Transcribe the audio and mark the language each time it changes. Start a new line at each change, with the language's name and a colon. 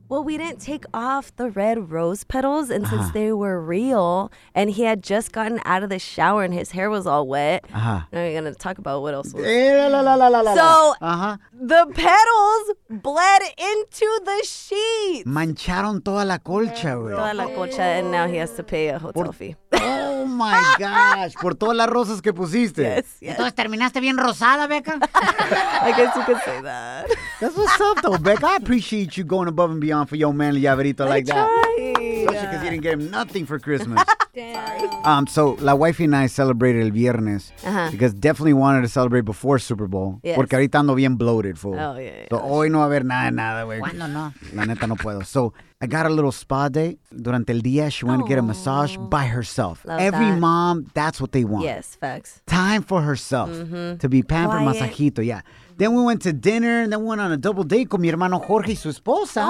English: Well, we didn't take off the red rose petals. And uh-huh. since they were real and he had just gotten out of the shower and his hair was all wet. Uh-huh. Now you're going to talk about what else was. So the petals bled into the sheets.
Spanish: Mancharon toda la colcha,
English: bro.
Spanish: Toda la colcha.
English: And now he has to pay a hotel fee. Oh my gosh,
Spanish: por todas las rosas que pusiste.
English: Yes, yes.
Spanish: Entonces terminaste bien rosada, Becca.
English: I guess you could say that. That's what's up though, Becca. I appreciate you going above and beyond for your man Llaverito like that. Especially because you didn't get him nothing for Christmas. Damn. So
Spanish: la wifey
English: and I celebrated
Spanish: el viernes
English: because definitely wanted to celebrate before Super Bowl. Yes.
Spanish: Porque ahorita ando bien
English: bloated, fool. Oh, yeah, yeah. So
Spanish: hoy no va a haber nada, güey. ¿Cuándo no? La neta no puedo.
English: So I got a little spa day.
Spanish: Durante el día,
English: she went to get a massage by herself. Love Every that. Mom, that's what they want. Yes, facts. Time for herself mm-hmm. to be pampered, Quiet.
Spanish: Masajito,
English: yeah. Then we went to dinner and then we went on a double date
Spanish: con mi hermano Jorge y su esposa.